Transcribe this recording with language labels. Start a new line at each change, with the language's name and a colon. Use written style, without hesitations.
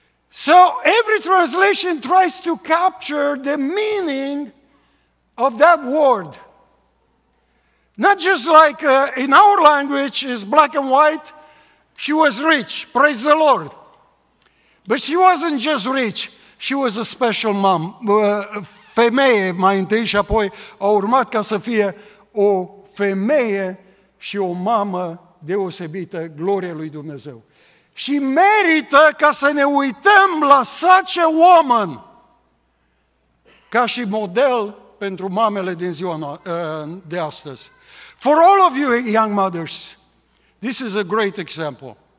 English: So every translation tries to capture the meaning of that word. Not just like in our language is black and white, she was rich, praise the Lord. But she wasn't just rich, she was a special mom.
Romanian: Femeie mai întâi și apoi a urmat ca să fie o femeie și o mamă deosebită, glorie lui Dumnezeu. Și merită ca să ne uităm la
English: such a woman
Romanian: ca și model pentru mamele din ziua de astăzi.
English: For all of you young mothers, this is a great example.